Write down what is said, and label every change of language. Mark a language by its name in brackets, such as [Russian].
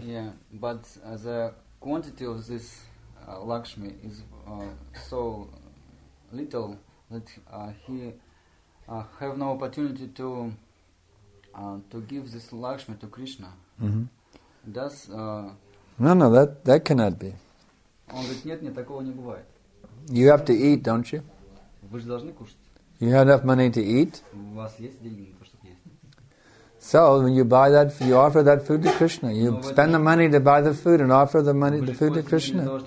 [English] Yeah, but the quantity of this Lakshmi is so little that he have no opportunity to give this Lakshmi to Krishna. Mm-hmm. Does no, that cannot be. [Russian] Он говорит, нет, нет, такого не бывает. [English] You have to eat, don't you? [Russian] Вы же должны кушать. [English] You have enough money to eat. [Russian] У вас есть деньги на то, чтобы есть. [English] So when you buy that, you offer that food to Krishna. You spend the money to buy the food and offer the money, the food to Krishna.